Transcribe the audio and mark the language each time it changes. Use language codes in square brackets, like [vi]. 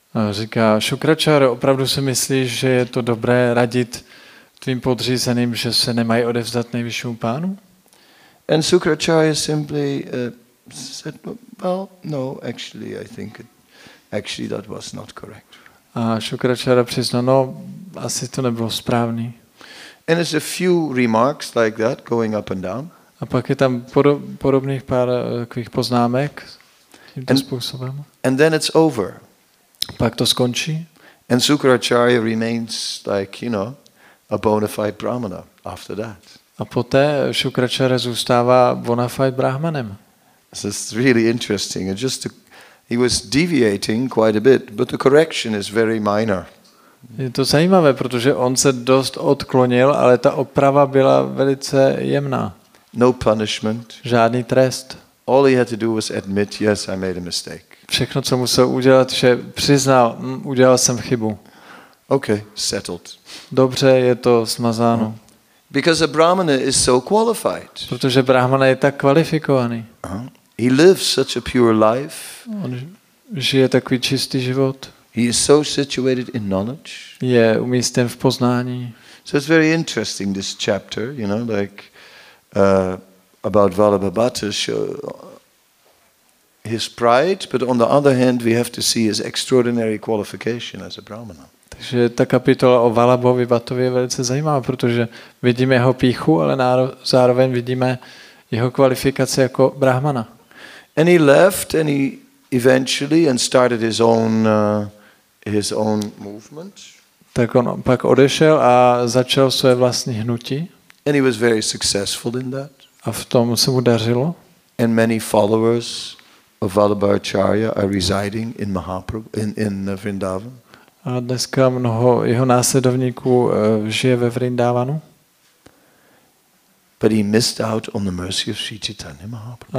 [cs] Říká Sukracharya, opravdu si myslíš, že je to dobré radit tvým podřízeným, že se nemají odevzdat nejvyššímu pánu? [en] And Sukracharya simply said, well, no, actually, I think actually that was not correct. [cs] A Sukracharya přiznal, no, asi to nebylo správný. [en] And there's a few remarks like that going up and down. [cs] A pak je tam podobných pár takových poznámek tímto způsobem. [en] And then it's over. [cs] Pak to skončí. [en] And Sukracharya remains like, you know, a bona fide brahmana after that. [cs] A poté Sukracharya zůstává bona fide brahmanem. [en] So it's really interesting. It just he was deviating quite a bit, but the correction is very minor. [cs] Je to zajímavé, protože on se dost odklonil, ale ta oprava byla velice jemná. [en] No punishment. [cs] Žádný trest. [en] All he had to do was admit, yes, I made a mistake. [cs] Všechno, co musel udělat, že přiznal, udělal jsem chybu. [en] Okay, settled. [cs] Dobře, je to smazáno. [en] Because a brahmana is so qualified. [cs] Protože brahmana je tak kvalifikovaný. [en] He lives such a pure life. [cs] On žije takový čistý život. [en] He is so situated in knowledge. [cs] Je umístěn v poznání. [en] So it's very interesting this chapter, you know, like about Vallabhabhata's his pride, but on the other hand, we have to see his extraordinary qualification as a brahmana. [cs] Takže ta kapitola o Vallabhovi Bhattovi je velice zajímavá, protože vidíme jeho píchu, ale zároveň vidíme jeho kvalifikaci jako brahmana. [en] And he left, and he eventually and started his own movement. [cs] Tak on pak odešel a začal své vlastní hnutí. [en] And he was very successful in that. [cs] A v tom se mu dařilo. [en] And many followers of Vallabhacharya are residing in Mahaprabhu in Vrindavan. [cs] A dneska mnoho jeho následovníků žije ve Vrindavanu. [en] But he missed out on the mercy of Sri Chaitanya Mahaprabhu.